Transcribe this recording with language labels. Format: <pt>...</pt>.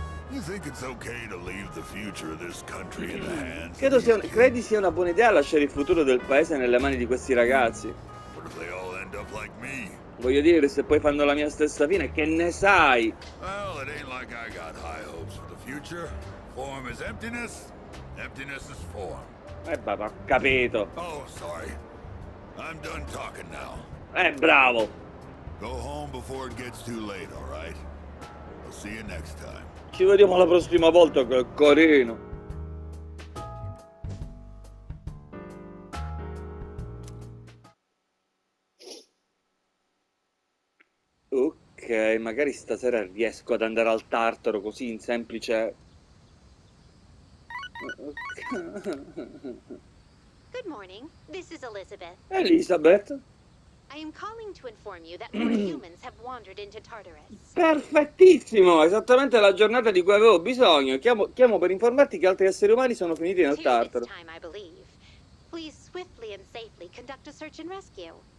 <en>You think it's okay to leave the future of this country in the hands?</en> <it>Credo sia credi sia una buona idea lasciare il futuro del paese nelle mani di questi ragazzi.</it> <en>What if they all end up like me?</en> <it>Voglio dire, se poi fanno la mia stessa fine, che ne sai?</it> <en>Well, it ain't like I got high hopes for the future. Form is emptiness, emptiness is form.</en> <it>Papà, capito.</it> <en>Oh, sorry. I'm done talking now.</en> <it>Bravo.</it> <en>Go home before it gets too late, all right? I'll see you next time.</en> <it>Ci vediamo la prossima volta, che carino. Ok, magari stasera riesco ad andare al Tartaro così in semplice.</it> <en>Good morning. This is Elizabeth. Elizabeth. I am calling to inform you that more humans have wandered into Tartarus.</en> <it>Perfettissimo, esattamente la giornata di cui avevo bisogno. Chiamo per informarti che altri esseri umani sono finiti nel Tartaro.</it> <en>Time, I believe. Please swiftly and safely conduct a search and rescue.</en>